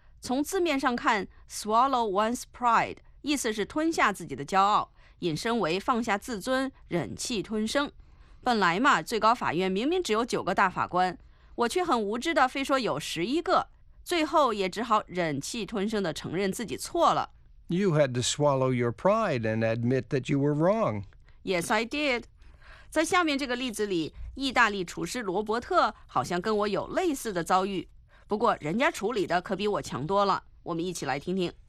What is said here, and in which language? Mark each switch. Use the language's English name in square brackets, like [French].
[Chinese] 从字面上看， [English] swallow one's pride [Chinese] 意思是吞下自己的骄傲，引申为放下自尊，忍气吞声。本来嘛，最高法院明明只有9个大法官，我却很无知的非说有11个，最后也只好忍气吞声的承认自己错了。 [English] You had to swallow your pride and admit that you were wrong. Yes, I did. [Chinese] 在下面这个例子里，意大利厨师罗伯特好像跟我有类似的遭遇，不过人家处理的可比我强多了，我们一起来听听。